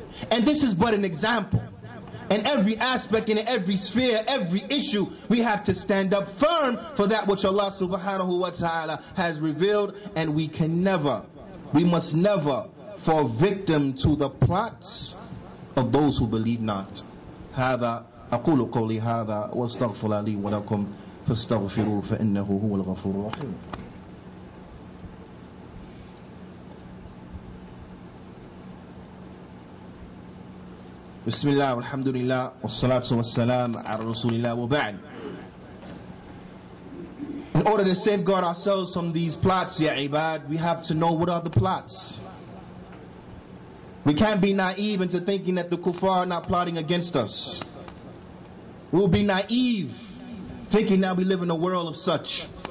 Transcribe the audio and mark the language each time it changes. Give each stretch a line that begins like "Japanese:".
English: And this is but an example. In every aspect, in every sphere, every issue, we have to stand up firm for that which Allah Subhanahu Wa Ta'ala has revealed. And we can never, we must never fall victim to the plots of those who believe not.
Arabic: هذا أقول قولي هذا واستغفر لي ولكم فاستغفروه فإنه هو الغفور الرحيم. بسم الله والحمد لله والصلاة والسلام على رسول الله وبعد.
English: In order to safeguard ourselves from these plots, ya ibad, we have to know what are the plots. We can't be naive into thinking that the kuffar are not plotting against us. We will be naive thinking that we live in a world of such.